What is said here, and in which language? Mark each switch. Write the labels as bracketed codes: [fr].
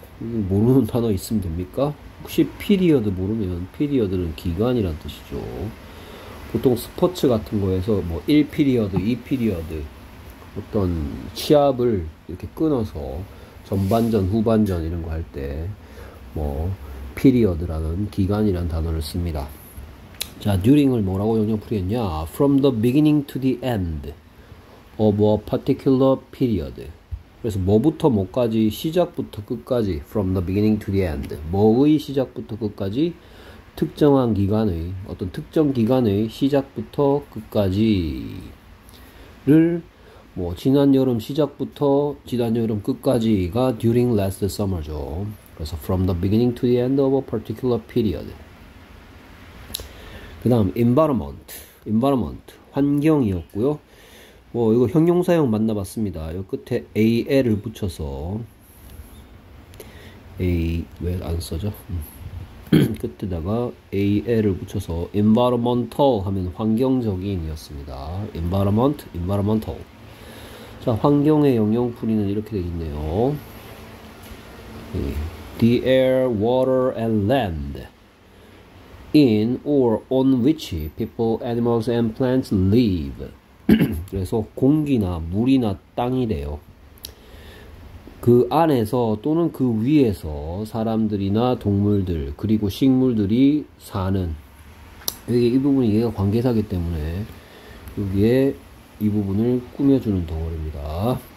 [ko] 모르는 단어 있으면 됩니까? 혹시 period 모르면 period는 기간이란 뜻이죠. 보통 스포츠 같은 거에서 뭐 1피리어드, 2피리어드 어떤 시합을 이렇게 끊어서 전반전, 후반전 이런 거할때뭐 피리어드라는 기간이란 단어를 씁니다. 자, during을 뭐라고 영역풀이 했냐? [en] From the beginning to the end of a particular period. [ko] 그래서 뭐부터 뭐까지 시작부터 끝까지 [en] from the beginning to the end. [ko] 뭐의 시작부터 끝까지 특정한 기간의, 어떤 특정 기간의 시작부터 끝까지를, 뭐, 지난 여름 시작부터 지난 여름 끝까지가 [en] during last summer [ko] 죠. 그래서 [en] from the beginning to the end of a particular period. [ko] 그 다음, environment. 환경이었고요. 뭐, 이거 형용사형 만나봤습니다. 여기 끝에 AL을 붙여서, A, 왜안 써죠? 끝에다가 AL을 붙여서 environmental 하면 환경적인이었습니다. [en] environmental. [ko] 자, 환경의 영영풀이는 이렇게 되어 있네요. 네. [en] The air, water, and land in or on which people, animals, and plants live. [ko] 그래서 공기나 물이나 땅이래요. 그 안에서 또는 그 위에서 사람들이나 동물들, 그리고 식물들이 사는. 이게 이 부분이 얘가 관계사기 때문에 여기에 이 부분을 꾸며주는 덩어리입니다.